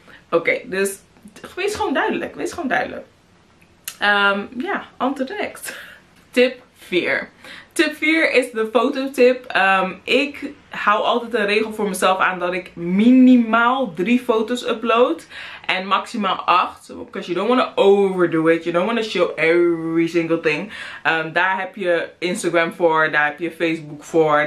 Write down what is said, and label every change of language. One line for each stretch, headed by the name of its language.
Dutch: Oké, dus wees gewoon duidelijk. Wees gewoon duidelijk.
English: On to the next.
Dutch: Tip 4. Tip 4 is de fototip. Ik hou altijd een regel voor mezelf aan dat ik minimaal 3 foto's upload. En maximaal 8.
English: Because you don't want to overdo it. You don't want to show every single thing.
Dutch: Daar heb je Instagram voor. Daar heb je Facebook voor.